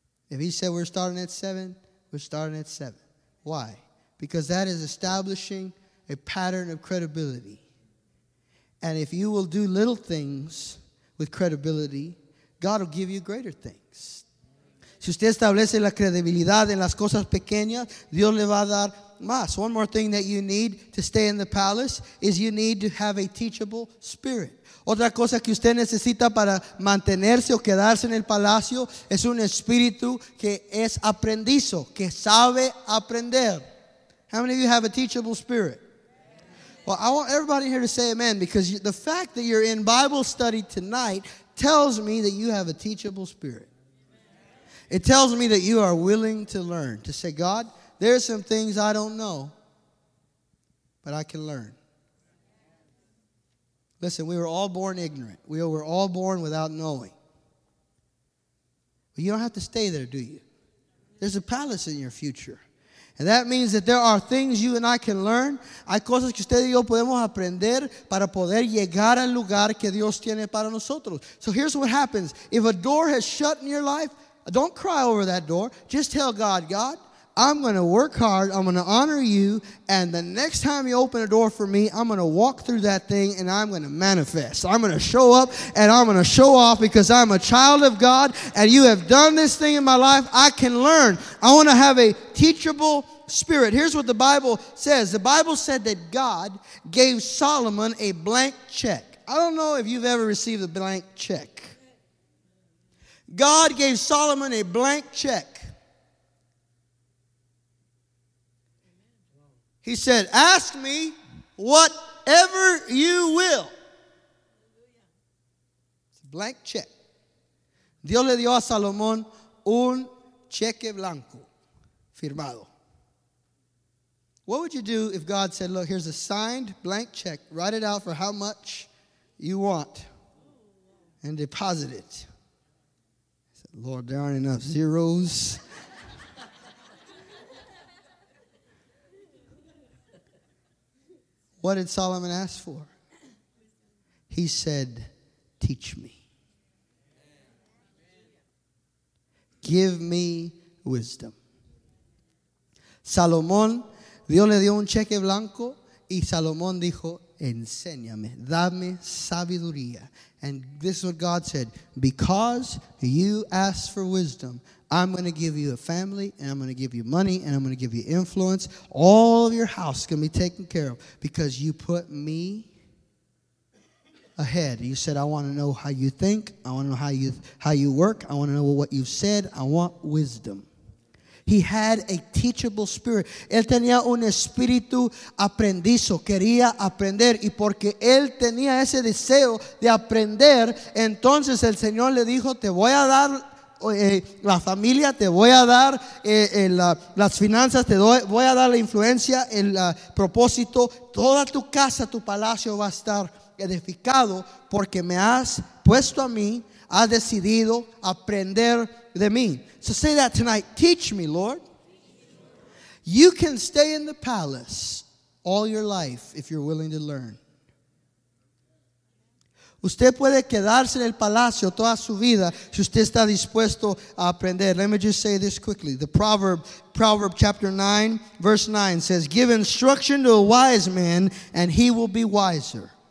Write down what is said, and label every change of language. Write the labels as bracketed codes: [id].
[en] If he said we're starting at 7, we're starting at 7. Why? Because that is establishing a pattern of credibility. And if you will do little things with credibility, God will give you greater things. [es] Si usted establece la credibilidad en las cosas pequeñas, Dios le va a dar más. [en] One more thing that you need to stay in the palace is you need to have a teachable spirit. [es] Otra cosa que usted necesita para mantenerse o quedarse en el palacio es un espíritu que es aprendizo, que sabe aprender. [en] How many of you have a teachable spirit? Well, I want everybody here to say amen, because the fact that you're in Bible study tonight tells me that you have a teachable spirit. It tells me that you are willing to learn, to say, God, there are some things I don't know, but I can learn. Listen, we were all born ignorant. We were all born without knowing. But you don't have to stay there, do you? There's a palace in your future. And that means that there are things you and I can learn. [es] Hay cosas que usted y yo podemos aprender para poder llegar al lugar que Dios tiene para nosotros. [en] So here's what happens. If a door has shut in your life, don't cry over that door. Just tell God, God, I'm going to work hard, I'm going to honor you, and the next time you open a door for me, I'm going to walk through that thing and I'm going to manifest. I'm going to show up and I'm going to show off because I'm a child of God and you have done this thing in my life. I can learn. I want to have a teachable spirit. Here's what the Bible says. The Bible said that God gave Solomon a blank check. I don't know if you've ever received a blank check. God gave Solomon a blank check. He said, ask me whatever you will. It's a blank check. [es] Dios le dio a Salomón un cheque blanco, firmado. [en] What would you do if God said, look, here's a signed blank check. Write it out for how much you want and deposit it. He said, Lord, there aren't enough zeros. What did Solomon ask for? He said, teach me. Give me wisdom. [es] Salomón, Dios le dio un cheque blanco, y Salomón dijo, enséñame, dame sabiduría. [en] And this is what God said, because you asked for wisdom, I'm going to give you a family, and I'm going to give you money, and I'm going to give you influence. All of your house is going to be taken care of because you put me ahead. You said, I want to know how you think. I want to know how you work. I want to know what you've said. I want wisdom. He had a teachable spirit. [es] Él tenía un espíritu aprendizo. Quería aprender. Y porque él tenía ese deseo de aprender, entonces el Señor le dijo, te voy a dar la familia, te voy a dar las finanzas, te doy, voy a dar la influencia, el propósito, toda tu casa, tu palacio va a estar edificado porque me has puesto a mí, has decidido aprender de mí. [en] So say that tonight, teach me, Lord. You can stay in the palace all your life if you're willing to learn. [es] Usted puede quedarse en el palacio toda su vida si usted está dispuesto a aprender. [en] Let me just say this quickly. The Proverb chapter 9, verse 9 says, give instruction to a wise man and he will be wiser.